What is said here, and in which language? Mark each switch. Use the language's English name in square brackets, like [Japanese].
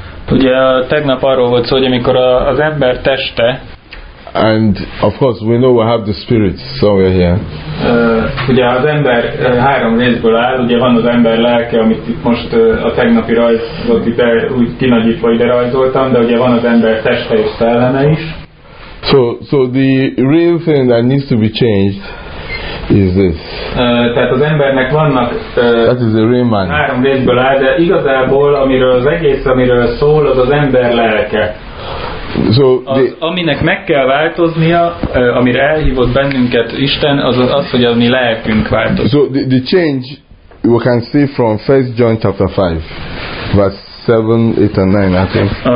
[Hungarian] Ugye tegnap arról volt szó, hogy amikor az ember teste. [English] And of course we know we have the spirit, so we're here. [Hungarian] Ugye az ember három részből áll, ugye van az ember lelke, amit itt most a tegnapi rajzot itt úgy kinagyítva ide rajzoltam, de ugye van az ember teste és szelleme is. [English] So the real thing that needs to be changed is this. [Hungarian] Tehát az embernek vannak [English] that is a real man. [Hungarian] Három részből áll, de igazából amiről az egész, amiről szól, az az ember lelke. [English] So [Hungarian] aminek meg kell változnia, amire elhívott bennünket Isten, az hogy a mi lelkünk változik. [English] So the change we can see from 1 John chapter 5, verse 7, 8 and 9, I think.